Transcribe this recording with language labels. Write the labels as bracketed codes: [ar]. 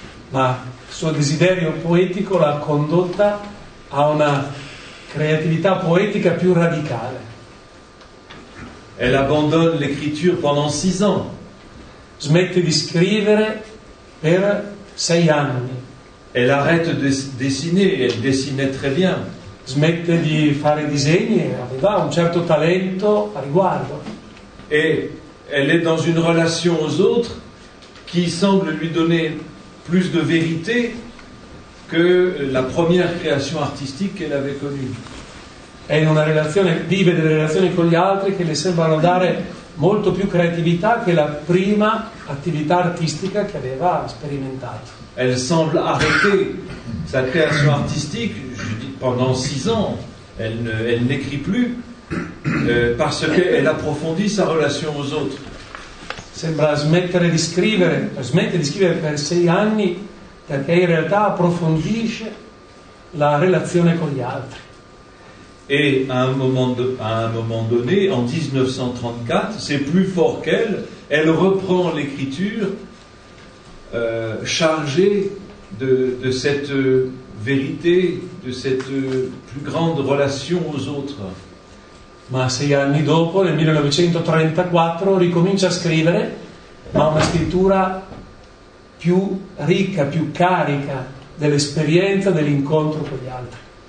[it] Ma suo desiderio poetico l'ha condotta a una creatività poetica più radicale. [fr] Elle abbandonne l'écriture pendant 6 ans. [it] Smette di scrivere per 6 anni. [fr] Elle arrête de dessiner, elle dessinait très bien. [it] Smette di fare disegni, aveva un certo talento a riguardo. [fr] Et elle est dans une relation aux autres qui semble lui donner plus de vérité que la première création artistique qu'elle avait connue. [it] È in una relazione, vive delle relazioni con gli altri che le sembrano dare molto più creatività che la prima attività artistica che aveva sperimentato. [fr] Elle semble arrêter sa création artistique, je dis, pendant 6 ans, elle n'écrit plus, parce qu'elle approfondit sa relation aux autres. [it] Sembra smette di scrivere per 6 anni, perché in realtà approfondisce la relazione con gli altri. [fr] Et à un moment donné, en 1934, c'est plus fort qu'elle, elle reprend l'écriture chargée de cette vérité, de cette plus grande relation aux autres. [it] Ma 6 anni dopo, nel 1934, ricomincia a scrivere, ma una scrittura più ricca, più carica dell'esperienza, dell'incontro con gli altri.